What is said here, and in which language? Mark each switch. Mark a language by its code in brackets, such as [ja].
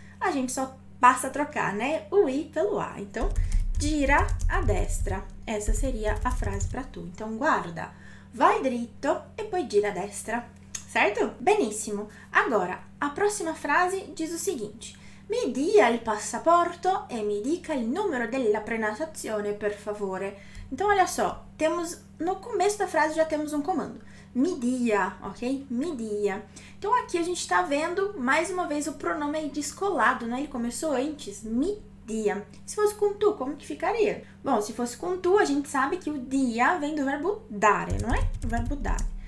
[pt] A gente só passa a trocar, né? O i pelo a. Então, [it] gira a destra. [pt] Essa seria a frase para tu. [it] Então, guarda. Vai dritto. E poi gira a destra. Certo? Benissimo. [pt] Agora, a próxima frase diz o seguinte. [it] Mi dia il passaporto e mi dica il numero della prenotazione, per favore. [pt] Então, olha só. Temos no começo da frase já temos um comando. [it] Mi dia, [pt] ok? Mi dia. Então, aqui a gente está vendo, mais uma vez, o pronome descolado, né? Ele começou antes. [it] Mi dia. [pt] Se fosse com tu, como que ficaria? Bom, se fosse com tu, a gente sabe que o dia vem do verbo dare, não é? O verbo dare.